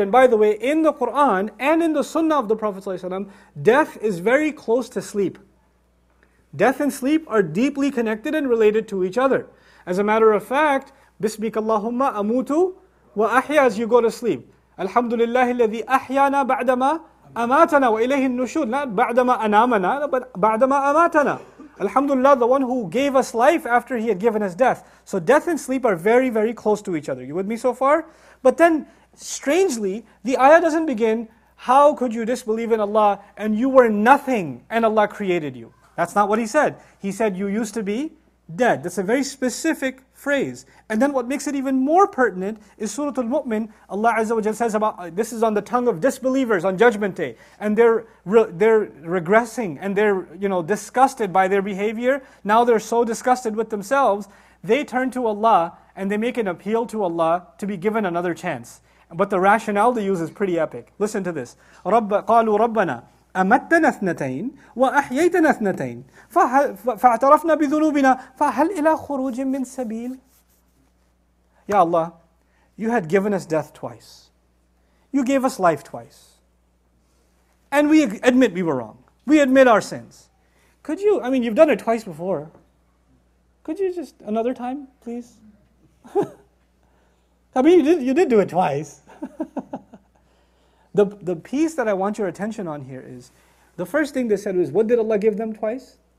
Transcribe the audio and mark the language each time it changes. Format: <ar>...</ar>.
<en>And by the way, in the Quran and in the sunnah of the Prophet ﷺ, death is very close to sleep. Death and sleep are deeply connected and related to each other. As a matter of fact,</en> <ar>بِسْمِكَ اللَّهُمَّ أَمُوتُ وَأَحْيَا,</ar> <en>as you go to sleep.</en> <ar>الْحَمْدُ لِلَّهِ الَّذِي أَحْيَانَا بَعْدَمَا أَمَاتَنَا وَإِلَيْهِ النُّشُورِ.</ar> <en>Not</en> <ar>بَعْدَمَا أَنَامَنَا,</ar> <en>but</en> <ar>بَعْدَمَا أَمَاتَنَا.</ar> <en>Alhamdulillah, the one who gave us life after he had given us death. So death and sleep are very, very close to each other. You with me so far? But then, strangely, the ayah doesn't begin, how could you disbelieve in Allah and you were nothing and Allah created you? That's not what he said. He said, you used to be dead. That's a very specific phrase. And then what makes it even more pertinent is Surah Al Mu'min. Allah Azza wa Jalla says about, this is on the tongue of disbelievers on Judgment Day, and they're regressing, and they're, you know, disgusted by their behavior. Now they're so disgusted with themselves, they turn to Allah and they make an appeal to Allah to be given another chance. But the rationale they use is pretty epic. Listen to this.</en> <ar>قَالُوا رَبَّنَا أَمَتَّنَا اثْنَتَيْنِ وَأَحْيَيْتَنَا اثْنَتَيْنِ فَاعْتَرَفْنَا بِذُنُوبِنَا فَهَلْ إِلَى خُرُوجٍ مِّن سَبِيلٍ.</ar> <en>Ya Allah, you had given us death twice. You gave us life twice. And we admit we were wrong. We admit our sins. Could you, I mean, you've done it twice before. Could you just another time, please? I mean, you did do it twice. The piece that I want your attention on here is, the first thing they said was, what did Allah give them twice?</en>